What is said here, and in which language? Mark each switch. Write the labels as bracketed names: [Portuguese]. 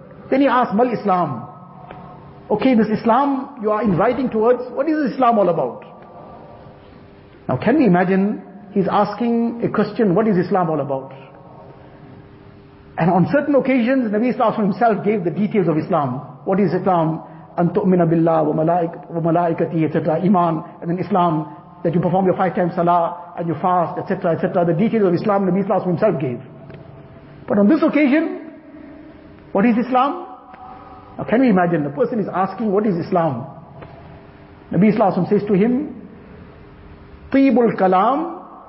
[English] Then he asks, Mal Islam? Okay, this Islam you are inviting towards, what is Islam all about? Now can we imagine, he's asking a question, what is Islam all about? And on certain occasions, Nabi Sallallahu Alaihi himself gave the details of Islam. What is Islam? [Arabic] أن تؤمن بالله وملائكته etc. [English] Iman, and then Islam, that you perform your 5 times salah and you fast, etc., etc. The details of Islam Nabi Sallallahu Alaihi himself gave. But on this occasion, what is Islam? Now can we imagine, the person is asking, what is Islam? Nabi Sallallahu Alaihi says to him, [Arabic] طيب الكلام